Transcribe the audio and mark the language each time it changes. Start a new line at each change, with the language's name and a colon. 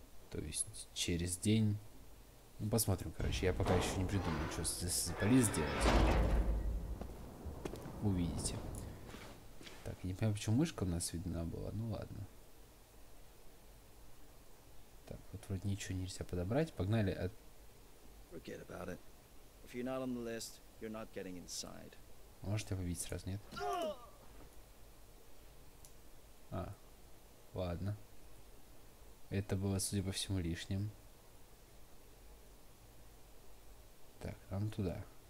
Russian: То есть через день... Ну, посмотрим, короче. Я пока еще не придумал, что здесь за полис делать. Увидите. Так, я не понимаю, почему мышка у нас видна была. Ну, ладно. Так, вот вроде ничего нельзя подобрать. Погнали.
English: Forget about it. If you're not on the list, you're not getting inside.
Russian: Можешь тебя побить сразу, нет? А, ладно. Это было, судя по всему, лишним. Так, нам туда.